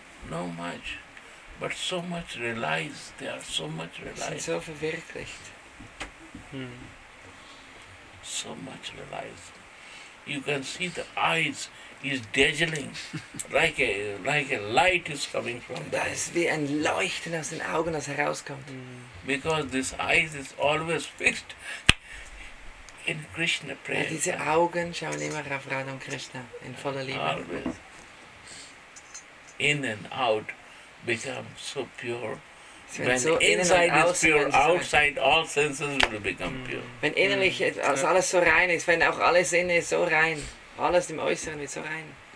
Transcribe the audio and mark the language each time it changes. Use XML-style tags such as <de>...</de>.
<en>No much. But so much realized, they are so much realized.</en> <de>Sind so verwirklicht.</de> <en>So much realized. You can see the eyes is dazzling, like a light is coming from them.</en> <de>Das ist wie ein Leuchten aus den Augen, das herauskommt.</de> <en>Because this eyes is always fixed in Krishna prayer.</en> <de>Ja, diese Augen schauen immer auf Radha und Krishna in voller Liebe.</de> <en>Always. In and out. Become so pure. When so inside</en> <de>innen</de> <en>is pure, outside all senses will become pure.</en> <de>Wenn innerlich alles so rein ist, wenn auch alles innen ist so rein, alles im Äußeren wird so rein.</de>